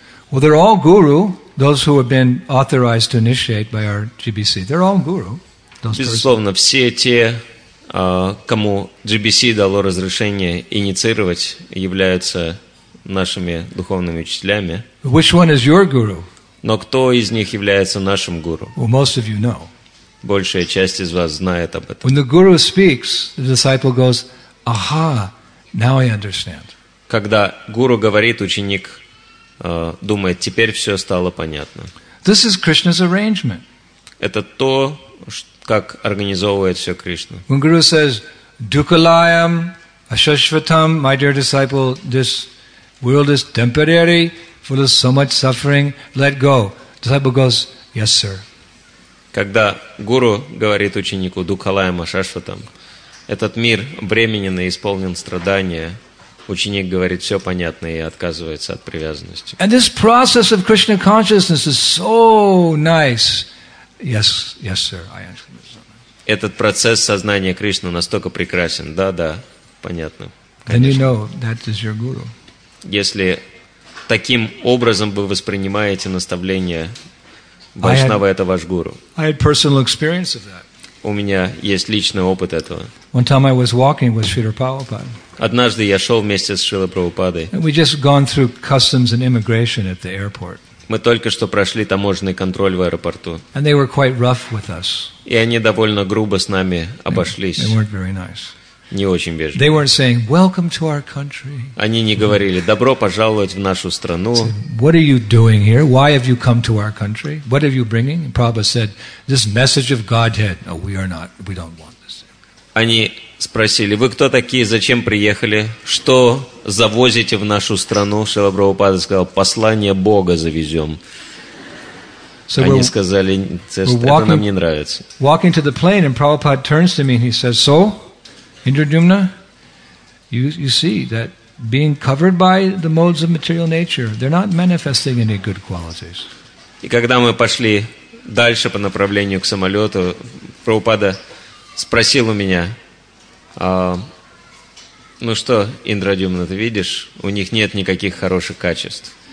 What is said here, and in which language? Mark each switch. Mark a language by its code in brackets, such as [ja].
[en] Well, they're all guru, those who have been authorized to initiate by our GBC. They're all guru. [ru] Безусловно, все те, кому GBC дало разрешение инициировать, являются нашими духовными учителями. [en] Which one is your guru? [ru] Но кто из них является нашим гуру? [en] Well, most of you know. [ru] Большая часть из вас знает об этом. [en] When the guru speaks, the disciple goes, aha, now I understand. [ru] Когда гуру говорит, ученик думает, теперь все стало понятно. [en] This is Krishna's arrangement. [ru] Это то, как организовывает все Кришна. [en] When guru says, [sa] Dukalayam, Ashashvatam, [en] my dear disciple, this world is temporary, full of so much suffering, let go. Disciple goes, yes, sir. [ru] Когда гуру говорит ученику, [sa] Dukalayam, Ashashvatam, [ru] этот мир временен и исполнен страдания. Ученик говорит, все понятно, и отказывается от привязанности. [en] And this process of Krishna consciousness is so nice. Yes, yes, sir, I understand. [ru] Этот процесс сознания Кришны настолько прекрасен. Да, да, понятно. [en] And you know that is your guru. [ru] Если таким образом вы воспринимаете наставление Вайшнава, это ваш гуру. [en] I had personal experience of that. [ru] У меня есть личный опыт этого. [en] One time I was walking with Srila Prabhupada. [ru] Однажды я шел вместе с Шрилой Прабхупадой. [en] We just gone through customs and immigration at the airport. [ru] Мы только что прошли таможенный контроль в аэропорту. [en] And they were quite rough with us. [ru] И они довольно грубо с нами обошлись. [en] They weren't very nice. [ru] Не очень вежливо. [en] They weren't saying, "Welcome to our country." [ru] Они не говорили: «Добро пожаловать в нашу страну». [en] What are you doing here? Why have you come to our country? What are you bringing? And Prabhupada said, "This message of Godhead. No, we are not. We don't want this." [ru] Они спросили: «Вы кто такие? Зачем приехали? Что завозите в нашу страну?» Шрила Прабхупада сказал: «Послание Бога завезем». So они сказали: «Это нам не нравится». [en] Walking to the plane, and Prabhupada turns to me and he says, "So, Indradyumna, you see that being covered by the modes of material nature, they're not manifesting any good qualities." [ru] И когда мы пошли дальше по направлению к самолету, Прабхупада спросил у меня: ну что, Индрадюмна, ты видишь, у них нет никаких хороших качеств.